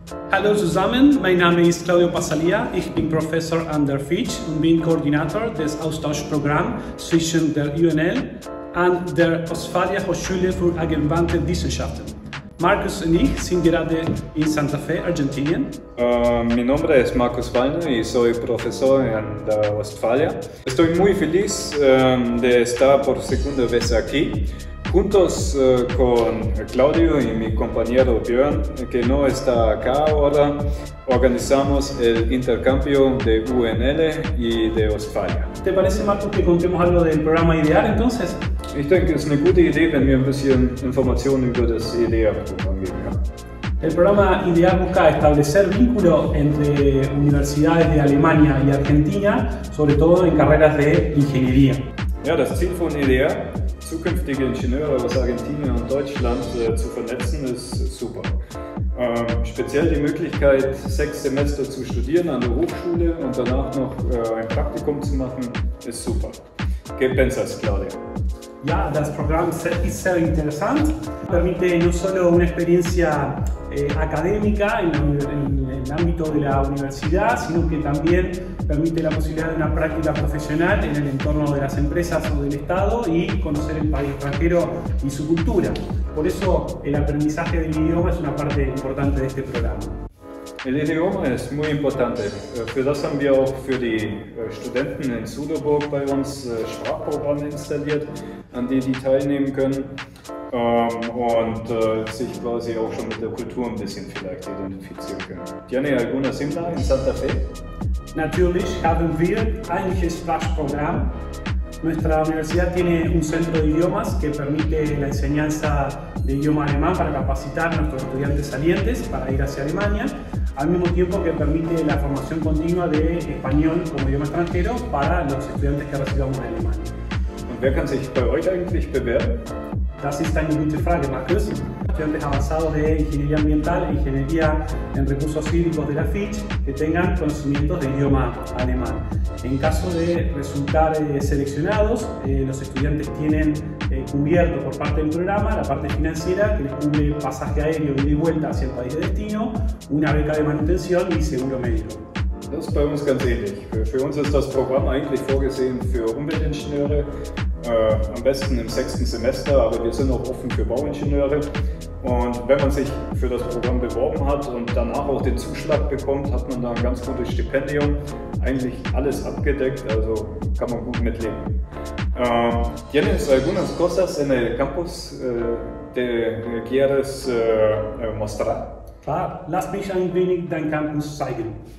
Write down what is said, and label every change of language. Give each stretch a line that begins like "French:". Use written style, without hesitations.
German: Hallo zusammen, mein Name ist Claudio Pasalia, ich bin Professor an der FITCH und bin Koordinator des Austauschprogramms zwischen der UNL und der Ostfalia Hochschule für Angewandte Wissenschaften. Markus und ich sind gerade in Santa Fe, Argentinien.
Spanish: Mi nombre es Markus Wallner y soy profesor en la Ostfalia. Estoy muy feliz de estar por segunda vez aquí. Juntos con Claudio y mi compañero Björn, que no está acá ahora, organizamos el intercambio de UNL y de Ostfalia. ¿Te parece, Marco, que contemos algo del programa IDEAR entonces?
German: Ich denke, es ist eine gute Idee, wenn wir ein bisschen Informationen über das IDEAR-Programm geben.
Spanish: El programa IDEAR busca establecer vínculos entre universidades de Alemania y Argentina, sobre todo en carreras de ingeniería.
German: Ja, das Ziel von IDEAR, zukünftige Ingenieure aus Argentinien und Deutschland zu vernetzen, ist super. Speziell die Möglichkeit, 6 Semester zu studieren an der Hochschule und danach noch ein Praktikum zu machen, ist super.
Spanish: ¿Qué pensas, Claudia?
German: Ja, das Programm ist sehr interessant.
Spanish: Permite no solo una experiencia académica en el ámbito de la universidad, sino que también permite la posibilidad de una práctica profesional en el entorno de las empresas o del Estado y conocer el país extranjero y su cultura. Por eso el aprendizaje del idioma es una parte importante de este programa. El idioma es muy importante.
German: Für das haben wir auch für die Studenten in Sudoburg bei uns Sprachprogramme installiert, an die die teilnehmen können und sich quasi auch schon mit der Kultur ein bisschen vielleicht identifizieren können.
Spanish: ¿Tiene alguna similar en Santa Fe?
German: Natürlich haben wir eigentlich ein Sprachprogramm.
Spanish: Nuestra universidad tiene un centro de idiomas que permite la enseñanza de idioma alemán para capacitar a nuestros estudiantes salientes para ir hacia Alemania, al mismo tiempo que permite la formación continua de español como idioma extranjero para los estudiantes que recibamos en Alemania. ¿Y quién puede
German: sich bei euch eigentlich bewerben? Das ist eine gute Frage, Markus.
Spanish: Estudiantes avanzados de ingeniería ambiental e ingeniería en recursos hídricos de la FITCH que tengan conocimientos de idioma alemán. En caso de resultar seleccionados, los estudiantes tienen cubierto por parte del programa la parte financiera que les cubre pasaje aéreo y de vuelta hacia el país de destino, una beca de manutención y seguro médico.
German: Das ist bei uns ganz ähnlich. Für uns ist das Programm eigentlich vorgesehen für Umweltingenieure, am besten im 6. Semester, aber wir sind auch offen für Bauingenieure. Und wenn man sich für das Programm beworben hat und danach auch den Zuschlag bekommt, hat man da ein ganz gutes Stipendium. Eigentlich alles abgedeckt, also kann man gut mitleben.
Spanish: ¿Tienes algunas cosas en el campus que quieres mostrar?
German: Klar, lass mich ein wenig dein Campus zeigen.